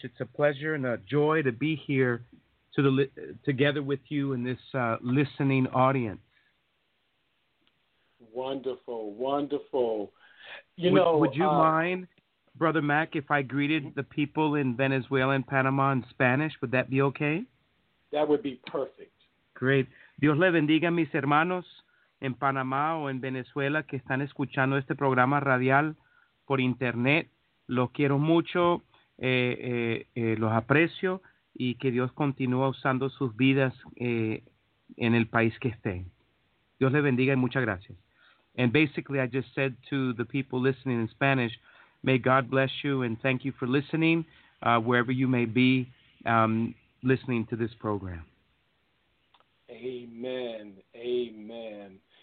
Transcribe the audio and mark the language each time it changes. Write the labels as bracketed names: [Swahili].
[English] It's a pleasure and a joy to be here to the together with you in this listening audience. Wonderful, wonderful. Would you mind, Brother Mac, if I greeted the people in Venezuela and Panama in Spanish? Would that be okay? That would be perfect. Great. [Spanish] Dios le bendiga mis hermanos en Panamá o en Venezuela que están escuchando este programa radial por internet. Los quiero mucho, los aprecio, y que Dios continúe usando sus vidas en el país que estén. Dios le bendiga y muchas gracias. [English] And basically, I just said to the people listening in Spanish, may God bless you and thank you for listening, wherever you may be listening to this program. Amen. Amen.